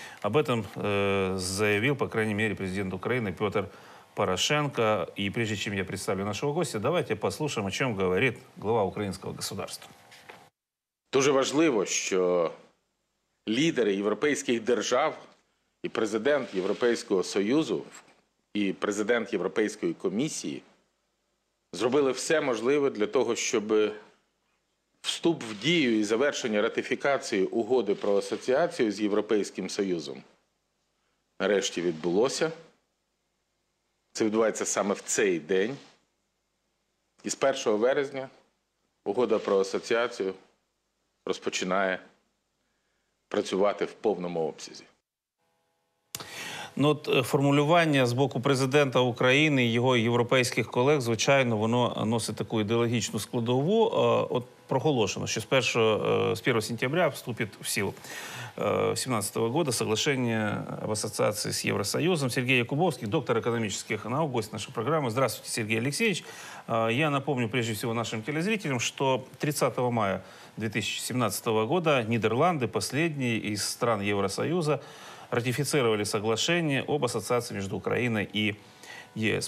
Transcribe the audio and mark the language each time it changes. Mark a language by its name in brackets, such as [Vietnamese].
[Russian] Об этом заявил, по крайней мере, президент Украины Петр Порошенко. И прежде чем я представлю нашего гостя, давайте послушаем, о чем говорит глава украинского государства. [Ukrainian] Дуже важливо, що лідери європейських держав і президент Європейського Союзу і президент Європейської комісії зробили все можливе для того, щоб вступ в дію і завершення ратифікації угоди про асоціацію з Європейським Союзом нарешті відбулося. Це відбувається саме в цей день. І з 1 березня угода про асоціацію розпочинає працювати в повному обсязі. Ну, от формулювання з боку президента України і його європейських колег, звичайно, воно носить таку ідеологічну складову. От [Russian] проголошено, що з 1 сентября вступить в силу 2017 года соглашение об ассоциации с Евросоюзом. Сергей Якубовский, доктор экономических наук, гость нашей программы. Здравствуйте, Сергей Алексеевич. Я напомню прежде всего нашим телезрителям, что 30 мая 2017 года Нидерланды, последние из стран Евросоюза, ратифицировали соглашение об ассоциации между Украиной и ЕС.